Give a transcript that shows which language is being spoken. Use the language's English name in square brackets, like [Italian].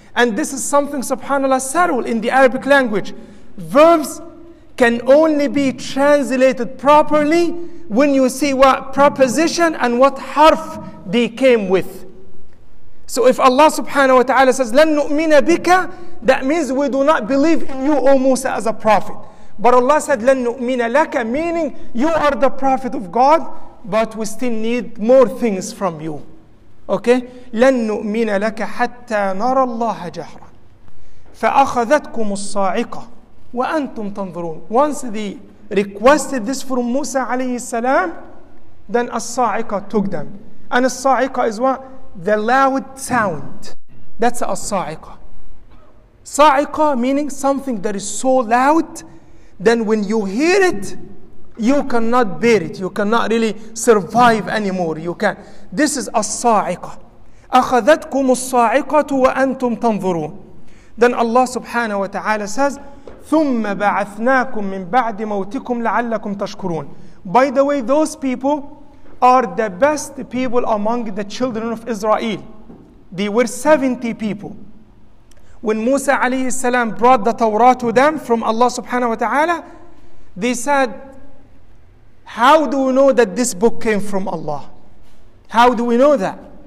[English] And this is something subhanAllah sarul in the Arabic language. Verbs can only be translated properly when you see what preposition and what harf they came with. So if Allah subhanahu wa ta'ala says [Arabic] لن نؤمن بك, [English] that means we do not believe in you, O Musa, as a prophet. But Allah said [Arabic] لن نؤمن لك, [English] meaning you are the prophet of God, but we still need more things from you. Okay? [Arabic] لن نؤمن لك حتى نرى الله جهرا فأخذتكم الصاعقة وأنتم تنظرون. [English] Once they requested this from Musa alayhi salam, then الصاعقة took them. And الصاعقة is what? The loud sound. That's a sa'iqa. Sa'iqa meaning something that is so loud, then when you hear it, you cannot bear it. You cannot really survive anymore. You can. This is a sa'iqa. [Arabic] أخذتكم الصاعقة وأنتم تنظرون. [English] Then Allah subhanahu wa ta'ala says, [Arabic] ثم بعثناكم من بعد موتكم لعلكم تشكرون. [English] By the way, those people are the best people among the children of Israel. They were 70 people. When Musa alayhi salam brought the Torah to them from Allah subhanahu wa ta'ala, they said, how do we know that this book came from Allah? How do we know that?